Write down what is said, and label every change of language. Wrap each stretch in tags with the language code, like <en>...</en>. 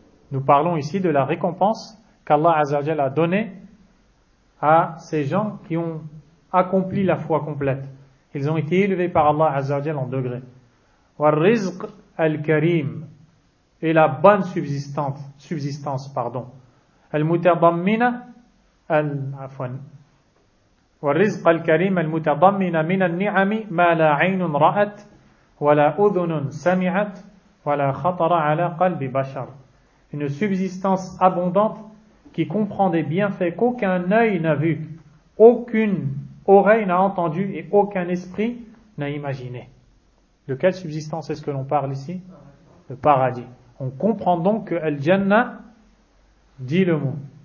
<fr>Nous parlons ici de la récompense qu'Allah Azza wa Jal a donnée à ces gens qui ont accompli la foi complète. Ils ont été élevés par Allah Azza wa Jal en degré.</fr> <ar>والرزق الكريم,</ar> <fr>et la bonne subsistance, pardon.</fr> <ar>المتضمنه العفوان والرزق الكريم المتضمن من النعم ما لا عين رأت ولا أذن سمعت ولا خطر على قلب بشر.</ar> <fr>Une subsistance abondante qui comprend des bienfaits qu'aucun œil n'a vu, aucune oreille n'a entendu et aucun esprit n'a imaginé. De quelle subsistance est-ce que l'on parle ici? Le paradis. On comprend donc que Al-Jannah dit le mot.</fr>